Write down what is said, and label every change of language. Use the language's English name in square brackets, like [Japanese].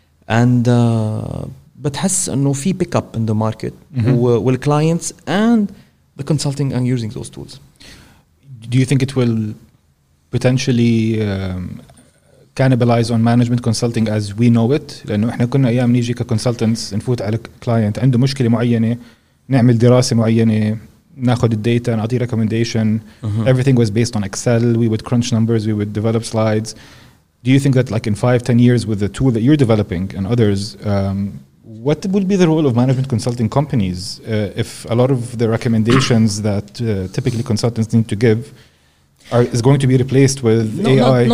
[English] And [Arabic] بتحس إنه في [English] pick up in the market with clients and the consulting and using those tools. Do you think it will potentially cannibalize on management consulting as we know it? [Arabic] لأنه إحنا كنا أيام نيجي كconsultants نفوت على client عنده مشكلة معينة, نعمل دراسة معينة, ناخذ الداتا, نعطي recommendation. [English] Everything was based on Excel. We would crunch numbers, we would develop slides. Do you think that like in 5-10 years with the tool that you're developing and others, what would be the role of management consulting companies if a lot of the recommendations that typically consultants need to give is going to be replaced with AI?